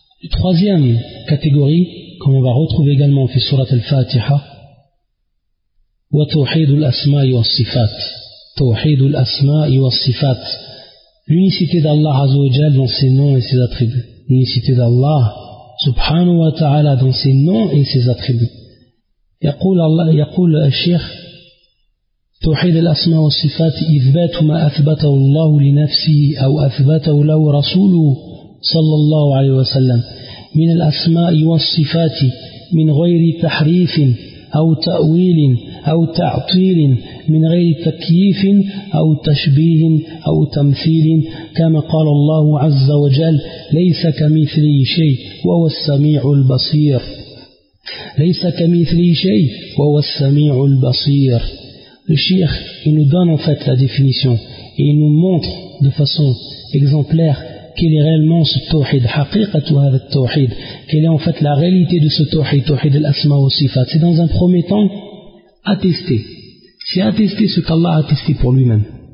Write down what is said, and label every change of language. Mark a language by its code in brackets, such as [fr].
[fr] Troisième catégorie, comme on va retrouver également dans Surat al-Fatiha, wa tawhidul asma'i wa sifat. Tawhidul asma'i wa sifat. L'unicité d'Allah Azza wa Jal dans ses noms et ses attributs. L'unicité d'Allah subhanahu wa ta'ala dans ses noms et ses attributs. Yaqul Allah, yaqul al-Sheikh, [ar] توحيد الأسماء والصفات إثبات ما أثبته الله لنفسه أو أثبته له رسوله صلى الله عليه وسلم من الأسماء والصفات من غير تحريف أو تأويل أو تعطيل من غير تكييف أو تشبيه أو تمثيل كما قال الله عز وجل ليس كمثله شيء وهو السميع البصير ليس كمثله شيء وهو السميع البصير. [fr] Le shir, il nous donne en fait la définition et il nous montre de façon exemplaire quel est réellement ce tawhid, [ar] haqiqatu hadha tawhid, [fr] quelle est en fait la réalité de ce tawhid, tawhid al-asma wa sifat. C'est dans un premier temps attesté. C'est attesté ce qu'Allah a attesté pour lui-même.